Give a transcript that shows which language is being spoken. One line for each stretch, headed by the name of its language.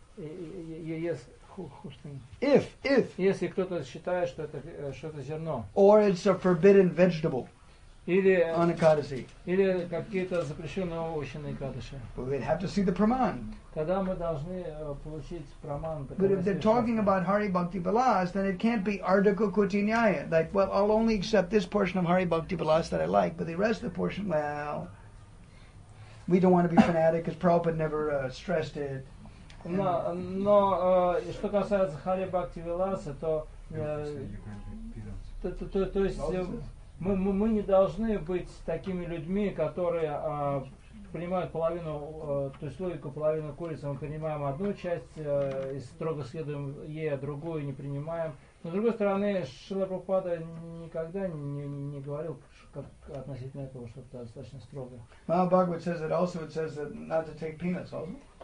English: Yes. If
Russian: если кто-то считает, что это зерно,
English: or it's a forbidden vegetable,
Russian: или
English: on Ekadasi,
Russian: или какие-то запрещенные овощи на Экадаши,
English: we'd have to see the praman.
Russian: Тогда мы должны получить праман.
English: But if they're talking about Hari Bhakti Vilas, then it can't be Ardha Kukuti Nyaya. Like, well, I'll only accept this portion of Hari Bhakti Vilas that I like, but the rest of the portion, well, we don't want to be fanatic because Prabhupada never stressed it.
Russian: Но что касается Hari Bhakti Vilasa, то есть мы не должны быть такими людьми, которые принимают половину, то есть логику половину курицы, мы принимаем одну часть и строго следуем ей, а другую не принимаем. Но с другой стороны, Шрила Прабхупада никогда не говорил как относительно этого что-то достаточно строго.
English: Well, Bhagavad says that also, it says that not to take peanuts also.